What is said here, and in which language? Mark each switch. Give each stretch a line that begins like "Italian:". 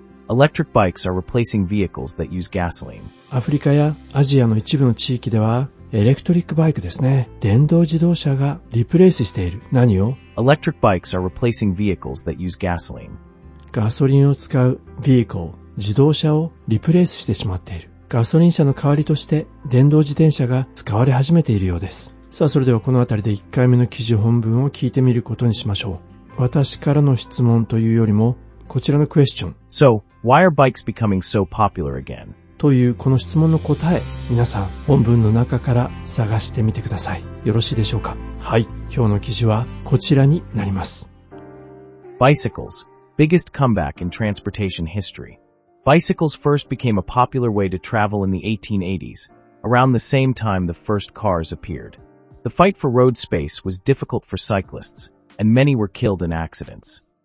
English: electric bikes are replacing vehicles that use gasoline.
Japanese: アフリカやアジアの一部の地域ではエレクトリックバイクですね。電動自動車がリプレイスしている。何を?
English: Electric bikes are replacing vehicles that use gasoline.
Japanese: ガソリンを使う vehicle、自動車をリプレイスしてしまっている。ガソリン車の代わりとして電動自転車が使われ始めているようです。さあ、それではこのあたりで1回目の記事本文を聞いてみることにしましょう。私からの質問というよりも、こちらのクエスチョン。
English: So, why are bikes becoming so popular again?
Japanese: というこの質問の答え、皆さん本文の中から探してみてください。よろしいでしょうか? はい、今日の記事はこちらになります。
English: Bicycles, biggest comeback in transportation history. Bicycles first became a popular way to travel in the 1880s, around the same time the first cars appeared. The fight for road space was difficult for cyclists, and many were killed in accidents.